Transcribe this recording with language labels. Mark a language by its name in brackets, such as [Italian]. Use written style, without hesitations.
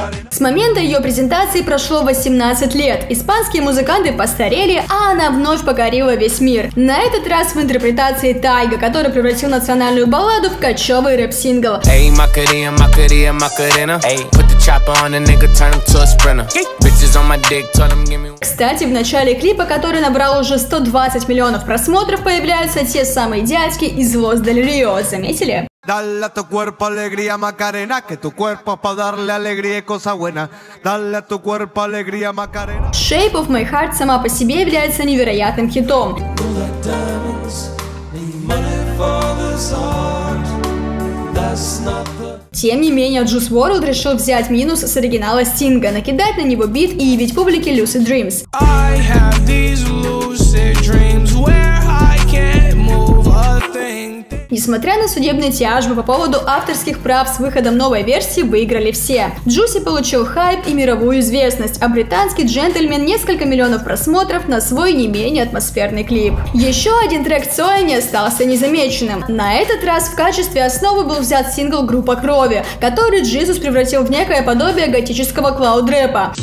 [Russian] С момента ее презентации прошло 18 лет. Испанские музыканты постарели, а она вновь покорила весь мир. На этот раз в интерпретации Тайга, который превратил национальную балладу в кочевый рэп-сингл. Эй, Макария, Макария, Макарина. [English] Эй, put the chopper on a nigga, turn him to a sprinter. Bitches on my dick, tell him give me. [Russian] Кстати, в начале клипа, который набрал уже 120 миллионов просмотров, появляются те самые дядьки из Лос Дель Рио. Заметили? [Spanish] Dale a tu cuerpo alegría, Macarena, que tu cuerpo es para darle alegría y cosa buena. Dale a tu cuerpo alegría, Macarena. [Russian] Shape of My Heart сама по себе является невероятным хитом. Тем не менее, Juice WRLD решил взять минус с оригинала Стинга, накидать на него бит и явить публике Lucid Dreams. [English] I have these lucid dreams where I can't move a thing. [Russian] Несмотря на судебные тяжбы по поводу авторских прав с выходом новой версии, выиграли все. Juicy получил хайп и мировую известность, а британский джентльмен несколько миллионов просмотров на свой не менее атмосферный клип. Еще один трек Цоя не остался незамеченным. На этот раз в качестве основы был взят сингл группа Крови, который Jesus превратил в некое подобие готического клауд-рэпа.